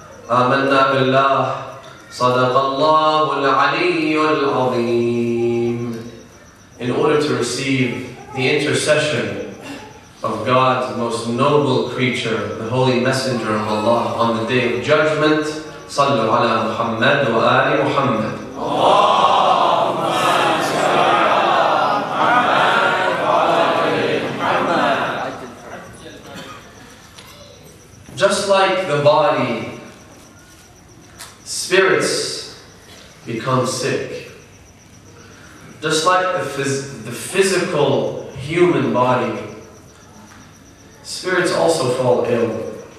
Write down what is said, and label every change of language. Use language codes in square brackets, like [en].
[ar] آمنا بالله صدق الله العلي العظيم. [en] In order to receive the intercession of God's most noble creature, the Holy Messenger of Allah, on the Day of Judgment, [ar] صلوا على محمد وآل محمد. اللهم صل على محمد وآل محمد. [en] Just like the body, spirits become sick. Just like the physical human body, spirits also fall ill.